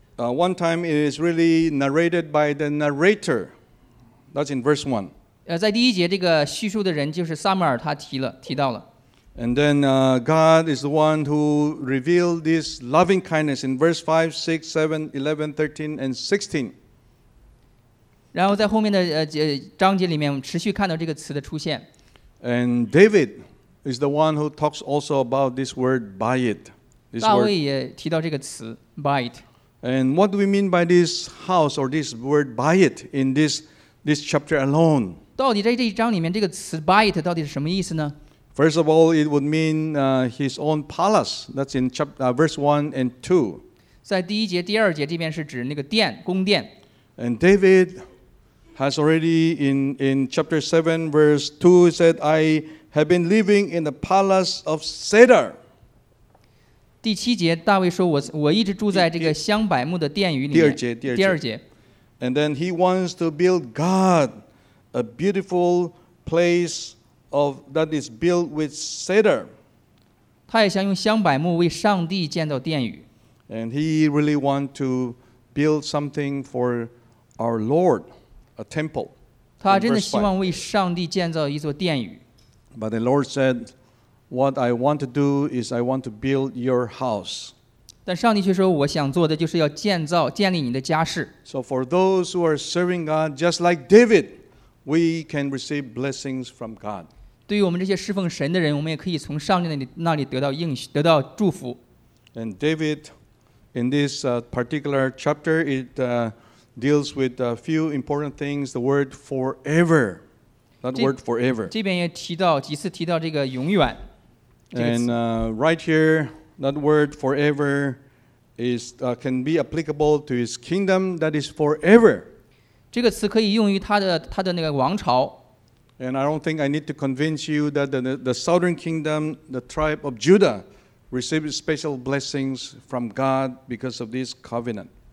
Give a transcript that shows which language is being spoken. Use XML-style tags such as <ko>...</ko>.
<en>One time it is really narrated by the narrator. That's in verse 1.</en> <zh>在第一节这个叙述的人就是撒母耳，他提到了。</zh> <en>And then God is the one who revealed this loving kindness in verse 5, 6, 7, 11, 13, and 16.</en> <zh>然后在后面的章节里面，我们持续看到这个词的出现。</zh> <en>And David is the one who talks also about this word, by it.</en> <zh>大卫也提到这个词 by it.</zh> <en>And what do we mean by this house or this word by it in this chapter alone?</en> <zh>到底在这一章里面，这个词 "by it" 到底是什么意思呢</zh> <en>？First of all, it would mean his own palace. That's in verse 1 and 2.</en> <zh>在第一节、第二节这边是指那个殿，宫殿。</zh> <en>And David has already in chapter 7 verse 2 said, "I have been living in the palace of cedar."</en> <zh>第七节，大卫说我一直住在这个香柏木的殿宇里面。第二节。</zh> <en>And then he wants to build God. A beautiful place of that is built with cedar.</en> <zh>他也想用香柏木为上帝建造殿宇。</zh> <en>And he really want to build something for our Lord, a temple.</en> <zh>他真的希望为上帝建造一座殿宇。</zh> <en>But the Lord said, "What I want to do is I want to build your house."</en> <zh>但上帝却说，我想做的就是要建立你的家室。</zh> <en>So for those who are serving God, just like David. We can receive blessings from God.</en> <zh>对于我们这些侍奉神的人，我们也可以从上帝那里得到应许，得到祝福。</zh> <en>And David, in this particular chapter, it deals with a few important things. The word forever, that word forever.</en> <zh>这边也提到这个永远。</zh> <en>And right here, that word forever is can be applicable to His kingdom that is forever.</en> <zh>这个词可以用于他的那个王朝。</zh> <en>And I don't think I need to convince you that the southern kingdom, the tribe of Judah, received special blessings from God because of this covenant.</en>